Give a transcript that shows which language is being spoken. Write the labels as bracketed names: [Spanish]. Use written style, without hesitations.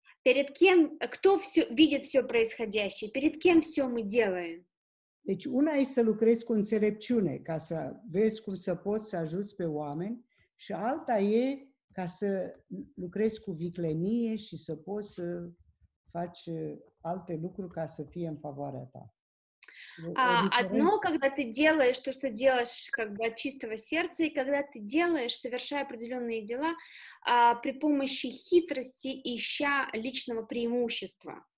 [Russian] Перед кем, кто все видит все происходящее, перед кем все мы делаем? [Romanian] Deci una este să lucrezi cu înțelepciune, ca să vezi cum să poți să ajuți pe oameni, și alta e ca să lucrezi cu viclenie și să poți să faci alte lucruri ca să fie în favoarea ta. [Russian] Одно, когда ты делаешь то, что делаешь как бы от чистого сердца, и когда ты делаешь, совершая определенные дела, при помощи хитрости, ища личного преимущества.